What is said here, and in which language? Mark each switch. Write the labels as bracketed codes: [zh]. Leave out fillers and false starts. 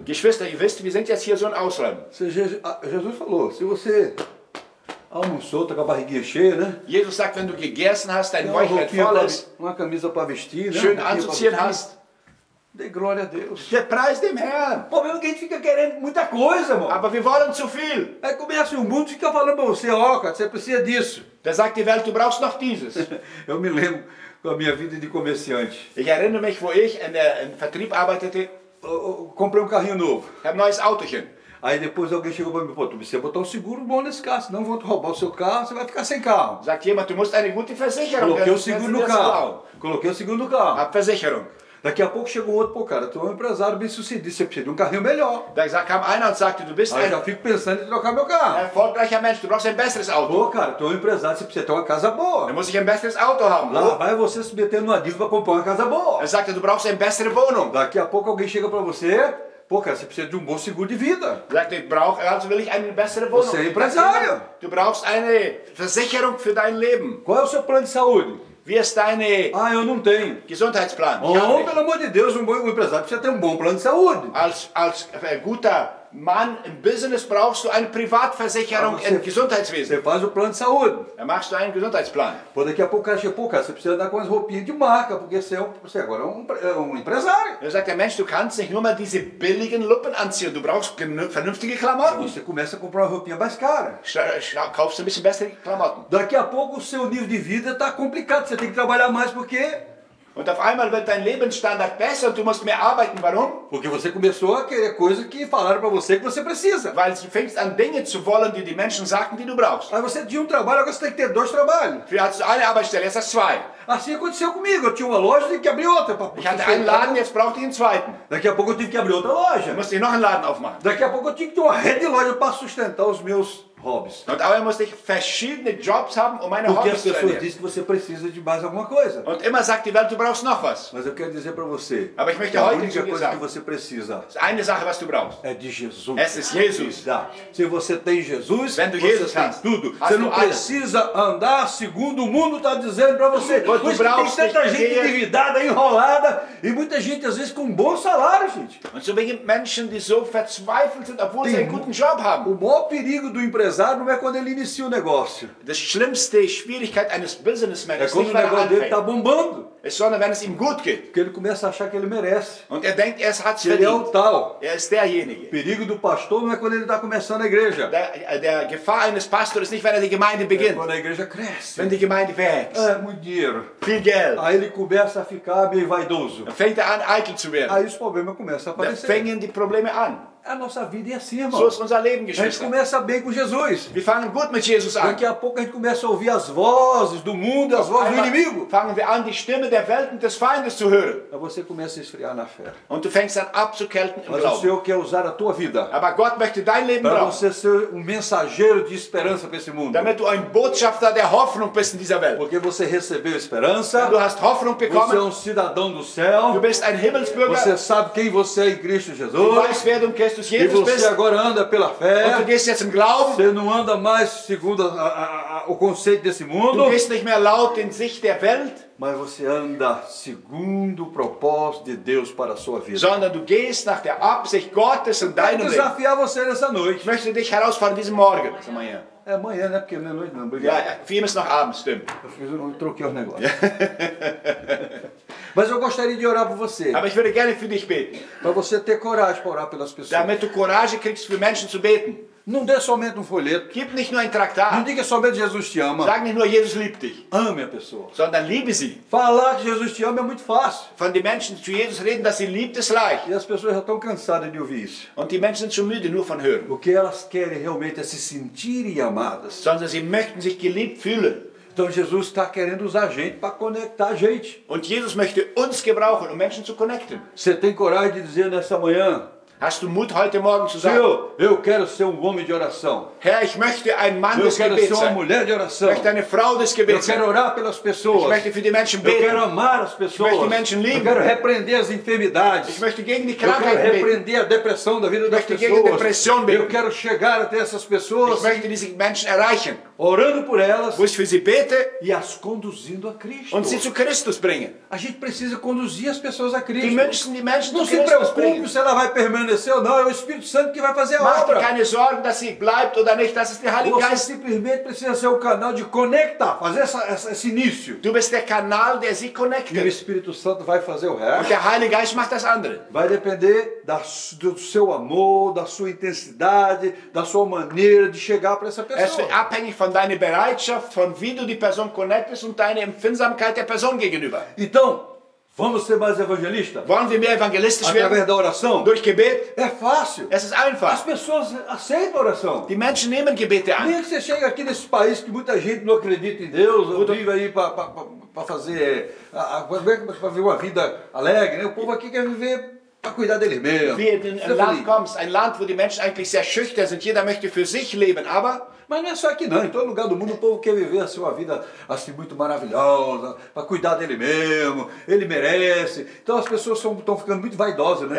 [de] Geschwister, ihr wisst, wir sind jetzt hier so ein Ausland. [pt] Jesus falou, se você almoçou, tá com a barriguinha cheia, né? [de] Jesus sagt, wenn du gegessen hast, dein Bauch voll ist. [pt] Uma camisa para vestir, né? [de] Schön anzuziehen hast. [pt] Dê glória a Deus. [de] Dê praise dem Herrn. [pt] O problema é que a gente fica querendo muita coisa, irmão. [de] Aber wir wollen zu viel. [pt] Aí começa o mundo e fica falando para você, ó, cara, você precisa disso. [de] Der sagt die Welt, du brauchst noch dieses. [pt] Eu me lembro com a minha vida de comerciante. [de] Ich erinnere mich, wo ich in Vertrieb arbeitete. [pt] Comprei um carrinho novo. [de] Ich habe ein neues Autochen. [pt] Aí depois alguém chegou para mim, pô, tu precisa botar um seguro bom nesse carro, senão vou roubar o seu carro, você vai ficar sem carro. [de] Sagt jemand, du musst eine gute Versicherung. [pt] Coloquei o seguro no carro. Coloquei o seguro no carro. [de] Hab Versicherung. [pt] Daqui a pouco chegou outro, pô, cara, tu é um empresário bem sucedido, você precisa de um carrinho melhor. Daí já [de] kam einer und sagte, du bist ein... [pt] Aí já fico pensando em trocar meu carro. [de] Erfolgreicher Mensch, du brauchst ein besseres Auto. [pt] Pô, cara, tu é um empresário, você precisa ter uma casa boa. [de] Dann muss ich ein besseres Auto haben. [pt] Lá vai você se metendo numa dívida pra comprar uma casa boa. [de] Er sagte, du brauchst ein besseres Wohnung. [pt] Daqui a pouco alguém chega pra você, pô, cara, você precisa de um bom seguro de vida. [de] Sagte, ich brauche, also will ich eine bessere Wohnung. [pt] Você é empresário. [de] Du brauchst eine Versicherung für dein Leben. [pt] Qual é o seu plano de saúde? [de] Wie ist deine Gesundheitsplan? [pt] Oh, pelo amor de Deus, um bom empresário precisa ter um bom plano de saúde. [de] Als guter Mann im Business brauchst du eine Privatversicherung im Gesundheitswesen. [pt] Você faz o plano de saúde. [de] Dann machst du einen Gesundheitsplan. [pt] Pô, daqui a pouco, cara, você precisa andar com as roupinhas de marca, porque você agora é um empresário. [de] Eu sagte, Mensch, du kannst nicht nur mal diese billigen Lupen anziehen, du brauchst vernünftige Klamotten. [pt] Você começa a comprar uma roupinha mais cara. [de] Kaufst ein bisschen bessere Klamotten. [pt] Daqui a pouco, o seu nível de vida está complicado, você tem que trabalhar mais, porque... [de] Und auf einmal wird dein Lebensstandard besser und du musst mehr arbeiten. Warum? [pt] Porque você começou a querer coisas que falaram para você que você precisa. [de] Weil du fängst an Dinge zu wollen, die die Menschen sagten, die du brauchst. [pt] Aí você tinha um trabalho, agora você tem que ter dois trabalhos. [de] Für hast du eine Arbeitsstelle, jetzt hast du zwei. [pt] Assim aconteceu comigo, eu tinha uma loja e tive que abrir outra. [de] Ich hatte einen Laden, jetzt brauchte ich einen zweiten. [pt] Daqui a pouco eu tive que abrir outra loja. [de] Musste ich noch einen Laden aufmachen. [pt] Daqui a pouco eu tinha que ter uma rede de loja para sustentar os meus... Hobbies. [de] Und dabei musste ich verschiedene Jobs haben, um meine [pt] Porque [de] Hobbys zu erledigen. [pt] Diz, que você precisa de mais alguma coisa. [de] Und immer sagt die Welt, du brauchst noch was. [pt] Mas eu quero dizer pra você, [de] aber ich möchte heute [pt] coisa [de] dir sagen, [pt] que você precisa, [de] eine Sache, was du brauchst, [pt] é de Jesus. [de] Es ist Jesus. [pt] Se você tem Jesus, [de] wenn du [pt] você [de] Jesus [pt] tem [de] hast, [pt] tudo. Você não precisa andar segundo o mundo está dizendo pra você. Pois tem tanta [de] nicht [pt] gente endividada, enrolada, e muita gente, às vezes, com um bom salário, gente. [de] Und so viele Menschen, die so verzweifelt sind, obwohl sie einen guten Job haben. [pt] O maior perigo do empresário não é quando ele inicia o negócio. [de] Das schlimmste Schwierigkeit eines Businessmen ist, [pt] é quando o negócio dele está bombando. [de] Es ist sondern wenn es ihm gut geht. [pt] Porque ele começa a achar que ele merece. [de] Und er denkt, er hat es verdient. [pt] Ele é o tal. [de] Er ist derjenige. [pt] O perigo do pastor não é quando ele está começando a igreja. [de] Der Gefahr eines Pastors ist nicht, wenn er die Gemeinde beginnt. [pt] É quando a igreja cresce. [de] Wenn die Gemeinde wächst. [pt] É, muito dinheiro. [de] Viel Geld. [pt] Aí ele começa a ficar meio vaidoso. [de] Er fängt an, eitel zu werden. [pt] Aí os problemas começam a aparecer. [de] Da fängen die Probleme an. [pt] A nossa vida é assim, irmão. [de] So ist unser Leben, Geschwister. [pt] A gente começa bem com Jesus. [de] Wir fangen gut mit Jesus an. [pt] Daqui a pouco a gente começa a ouvir as vozes do mundo, as vozes do inimigo. [de] Fangen wir an, die Stimme der Welt und des Feindes zu hören. [pt] Aí você começa a esfriar na fé. [de] Und du fängst an abzukälten im Glauben. [pt] Mas o Senhor quer usar a tua vida. [de] Aber Gott möchte dein Leben brauchen. [pt] Para você ser um mensageiro de esperança para esse mundo. [de] Damit du ein Botschafter der Hoffnung bist in dieser Welt. [pt] Porque você recebeu esperança. [de] Du hast Hoffnung bekommen. [pt] Você é um cidadão do céu. [de] Du bist ein Himmelsbürger. [pt] Você sabe quem você é em Cristo Jesus. [de] Du weißt, wer du bist. [pt] E você agora anda pela fé. Você não anda mais segundo o conceito desse mundo. [de] Du gehst nicht mehr laut in Sicht der Welt. [pt] Mas você anda segundo o propósito de Deus para a sua vida. [de] Sondern du gehst nach der Absicht Gottes in deinem Leben. [pt] Eu quero desafiar você nessa noite. [de] Ich möchte dich herausfordern diesen Morgen. [pt] Amanhã. É amanhã, né? Porque não é noite, não. Obrigado. [de] Wir müssen noch abends, stimmt. [pt] Eu troquei os negócios. Mas eu gostaria de orar por você. [de] Aber ich würde gerne für dich beten. [pt] Para você ter coragem para orar pelas pessoas. [de] Damit du Courage kriegst für Menschen zu beten. [pt] Não dê somente um folheto. [de] Gib nicht nur ein Traktat. [pt] Não diga somente Jesus te ama. [de] Sag nicht nur Jesus liebt dich. [pt] Ame a pessoa. [de] Sondern liebe sie. [pt] Falar que Jesus te ama é muito fácil. [de] Von den Menschen zu Jesus reden, dass sie liebt, ist leicht. [pt] E as pessoas já estão cansadas de ouvir isso. [de] Und die Menschen sind schon müde nur von hören. [pt] O que elas querem realmente é se sentirem amadas. [de] Sondern sie möchten sich geliebt fühlen. [pt] Então Jesus está querendo usar a gente para conectar a gente. [de] Und Jesus möchte uns gebrauchen, um Menschen zu connecten. [pt] Você tem coragem de dizer nessa manhã? [de] Hast du Mut heute Morgen zu sagen? [pt] Senhor, eu quero ser um homem de oração. [de] Herr, ich möchte ein Mann des Gebets. [pt] Eu quero ser uma mulher de oração. [de] Ich möchte eine Frau des Gebets. [pt] Eu quero orar pelas pessoas. [de] Ich möchte für die Menschen beten. [pt] Eu quero amar as pessoas. [de] Ich möchte Menschen lieben. [pt] Eu quero repreender as enfermidades. [de] Ich möchte gegen die Krankheit beten. [pt] Eu quero repreender a depressão da vida [de] ich [pt] das pessoas. [de] Gegen Depression beten. [pt] Eu quero chegar até essas pessoas. [de] Ich möchte diese Menschen erreichen. [pt] Orando por elas. [de] Wo ich für sie bete. [pt] E as conduzindo a Cristo. [de] Und sie zu Christus bringen. [pt] A gente precisa conduzir as pessoas a Cristo. [de] Die Menschen, [pt] Não se preocupe se ela vai permanecer. Não, é o Espírito Santo que vai fazer a obra. [de] Mach dir keine Sorgen, dass sie bleibt oder nicht, das ist der Heilige Geist. [pt] Você simplesmente precisa ser o canal de conectar, fazer esse início. [de] Du bist der Kanal, der sie connectet. [pt] E o Espírito Santo vai fazer o resto. [de] Und der Heilige Geist macht das andere. [pt] Vai depender do seu amor, da sua intensidade, da sua maneira de chegar para essa pessoa. [de] Es ist abhängig von deiner Bereitschaft, von wie du die Person connectest und deine Empfindsamkeit der Person gegenüber. [pt] Então, Vamos ser mais evangelistas? [de] Wollen wir mehr evangelistisch werden? [pt] Através da oração? [de] Durch Gebet? [pt] É fácil. [de] Es ist einfach. [pt] As pessoas aceitam oração. [de] Die Menschen nehmen Gebete an. [pt] Nem que você chegue aqui nesse país que muita gente não acredita em Deus, ou vive aí para fazer para viver uma vida alegre, né? O povo aqui quer viver para cuidar dele mesmo. [de] Wie in ein Land kommst, ein Land wo die Menschen eigentlich sehr schüchtern sind, jeder möchte für sich leben, aber [pt] mas não é só aqui não, em todo lugar do mundo o povo quer viver assim, uma vida assim muito maravilhosa, para cuidar dele mesmo, ele merece. Então as pessoas estão ficando muito vaidosas, né?